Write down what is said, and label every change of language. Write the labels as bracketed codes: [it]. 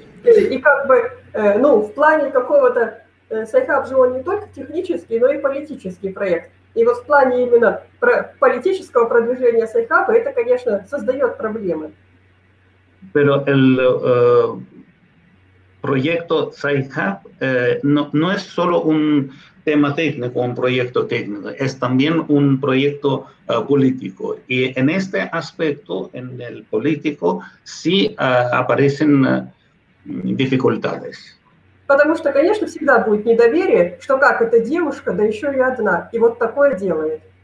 [es] Y [ru] как бы, в плане какого-то Sci-Hub же он не только технический, но и политический проект. И вот в плане именно политического продвижения Sci-Hub это, конечно, создает проблемы. [es] Pero el proyecto Sci-Hub no es solo un tema técnico, un proyecto técnico, es también un proyecto político. Y en este aspecto, en el político, sí aparecen dificultades. [ru] Потому что, конечно, всегда будет недоверие, что как эта девушка, да еще и одна, и вот такое делает.